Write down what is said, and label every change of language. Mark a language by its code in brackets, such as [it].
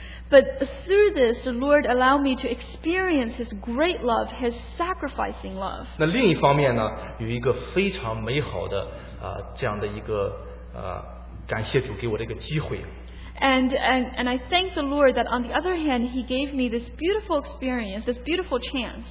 [en] But through this, the Lord allowed me to experience His great love, His sacrificing love. [zh] 那另一方面呢，有一个非常美好的这样的一个感谢主给我的一个机会。 [en] And I thank the Lord that on the other hand, He gave me this beautiful experience, this beautiful chance.